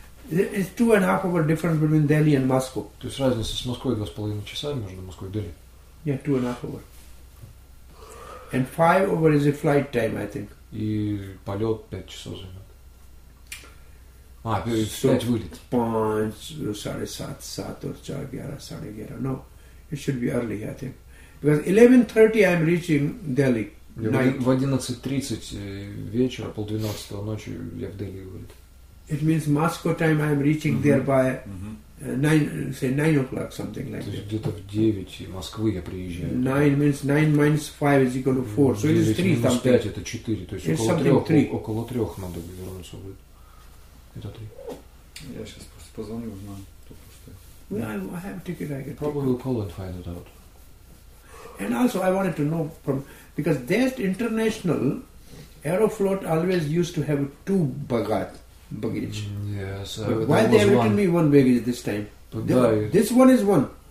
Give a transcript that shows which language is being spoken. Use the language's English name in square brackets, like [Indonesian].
[English] It's 2.5 hour difference between Delhi and Moscow. [Russian] То есть разница с Москвой 2.5 часа между Москвой и Дели? [English] Yeah, 2.5 hour. And 5 hour is a flight time, I think. [Russian] И полет 5 часов займет. А, пять вылет. [Hindi] Сат, сад, чар, гьяра. [English] No, it should be early, I think. Because 11:30 I'm reaching Delhi. [Russian] В 11:30 вечера, 12:30 ночи я в Дели вылет. [English] It means Moscow time I'm reaching there by 9 o'clock, something like that. [Russian] То есть где-то в 9 Москвы я приезжаю. [English] 9 means 9 minus 5 is equal to 4. So it is 3 something. 9 [Russian] минус 5 это 4. То есть около 3 надо вернуться будет. Это 3. Я сейчас просто позвоню, узнаю, кто просто. [English] I have a ticket, I get. Probably we'll call and find it out. And also I wanted to know from, because there's international Aeroflot always used to have two baggage. Yes. Why they have written me one baggage this time? This one is one.